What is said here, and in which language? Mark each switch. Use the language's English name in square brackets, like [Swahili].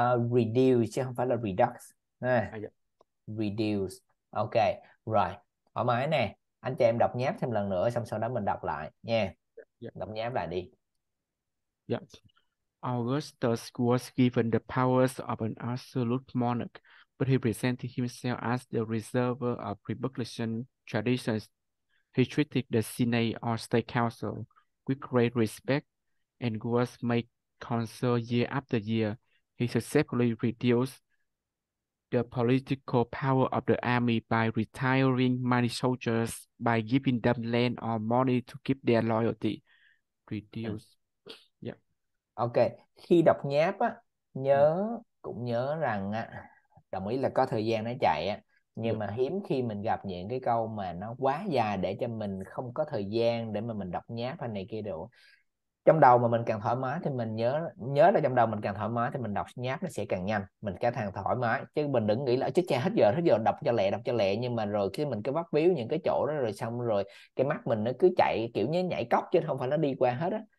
[Vietnamese] Reduce chứ không phải là redux. Reduce. Ok. Rồi. Thoải mái nè. Anh cho em đọc nháp thêm lần nữa xong sau đó mình đọc lại nha. Đọc nháp lại đi. [English] Augustus was given the powers of an absolute monarch, but he presented himself as the preserver of republican traditions. He treated the Senate or state council with great respect and was made consul year after year. He successfully reduced the political power of the army by retiring many soldiers, by giving them land or money to keep their loyalty. Reduce. [Vietnamese] Ok, khi đọc nháp á, nhớ cũng nhớ rằng á, đồng ý là có thời gian nó chạy á, nhưng mà hiếm khi mình gặp những cái câu mà nó quá dài để cho mình không có thời gian để mà mình đọc nháp hay này kia đủ. Trong đầu mà mình càng thoải mái thì mình nhớ nhớ là trong đầu mình càng thoải mái thì mình đọc nháp nó sẽ càng nhanh, mình càng thằng thoải mái chứ mình đừng nghĩ là chết cha hết giờ đọc cho lẹ nhưng mà rồi khi mình cứ bắt víu những cái chỗ đó rồi xong rồi cái mắt mình nó cứ chạy kiểu như nhảy cóc chứ không phải nó đi qua hết á.